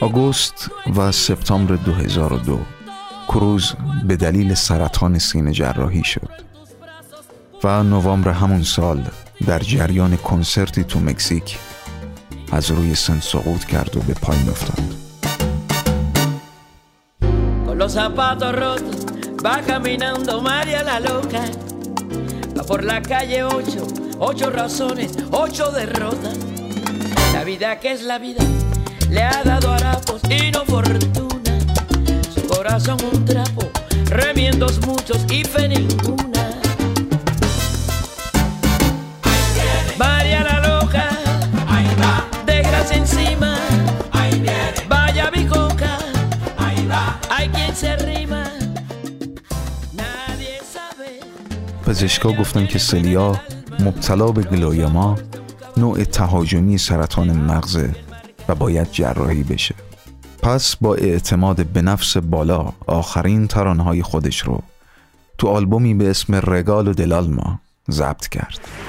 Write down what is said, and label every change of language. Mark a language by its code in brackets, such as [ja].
[fa] August و سپتامبر 2002 کروز به دلیل سرطان سینه جراحی شد و نوامبر همون سال در جریان کنسرتی تو مکزیک از روی سن سقوط کرد و به پایین افتاد. [es] Con los zapatos rotos va caminando María la loca, va por la calle 8 razones, 8 derrotas. La vida que es la vida le ha dado harapos y no fortuna, su corazón un trapo, remiendos muchos y fe ninguna. María la loca, ahí va, desgracia encima, ahí viene, vaya bicoca, ahí va, hay quien se rima, nadie sabe [fa] پزشکا گفتن که سلیا مبتلا به گلیوما نوع تهاجمی سرطان مغزه و باید جراحی بشه. پس با اعتماد به نفس بالا آخرین ترانهای خودش رو تو آلبومی به اسم رگال و دلالما ضبط کرد.